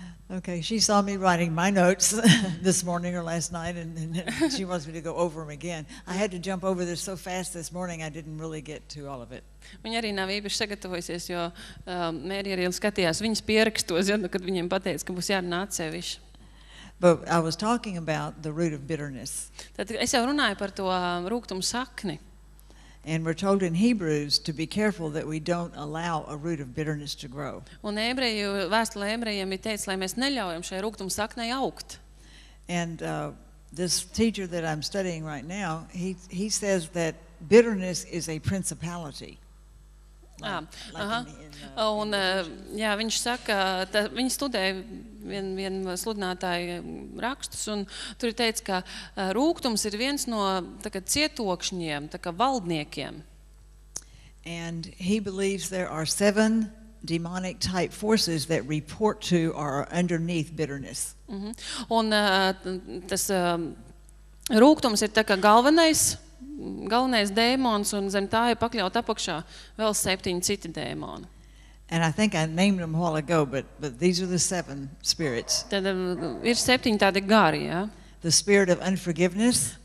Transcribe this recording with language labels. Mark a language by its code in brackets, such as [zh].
[en] Okay, she saw me writing my notes this morning or last night and she wants me to go over them again. I had to jump over this so fast this morning I didn't really get to all of it. [lv] Viņa arī nav īpaši sagatavojusies, jo Mērija arī skatījās viņas pierakstos, ja, kad viņiem pateica, ka būs jārunā atsevišķi. [en] But I was talking about the root of bitterness. [lv] Tad es jau runāju par to rūktuma sakni. [en] And we're told in Hebrews to be careful that we don't allow a root of bitterness to grow. [lv] Un ebreju vēstulē ebrejiem ir teicis, lai mēs neļaujam šai rūgtuma saknei augt. [en] And this teacher that I'm studying right now, he says that bitterness is a principality. [lv] Viņš saka, viņš studē vien sludinātāju rakstus, un tur ir teicis, ka rūgtums ir viens no tā kā cietokšņiem, tā kā valdniekiem. [en] And he believes there are 7 demonic type forces that report to or underneath bitterness. [lv] Un tas rūgtums ir tā kā galvenais dēmons, un zem tā ir pakļaut apakšā vēl 7 citi dēmoni. [en] And I think I named them a while ago, but these are the 7 spirits. [lv] Tad ir 7 tādi gari, ja? [en] The spirit of unforgiveness.